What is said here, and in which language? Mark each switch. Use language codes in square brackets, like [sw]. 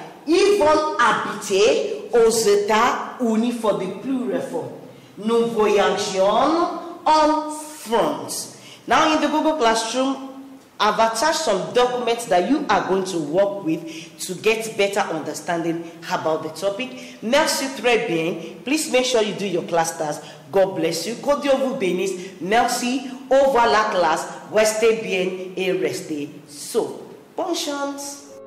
[fr] Ils vont habiter aux États-Unis [en] for the plural form. [fr] Nous voyageons en France. [en] Now in the Google Classroom, I've attached some documents that you are going to work with to get better understanding about the topic. [fr] Merci très bien. [en] Please make sure you do your class tasks. God bless you. [fr] Que Dieu vous bénisse. Merci. Au revoir la classe. Restez bien et restez sauf. Bonne chance.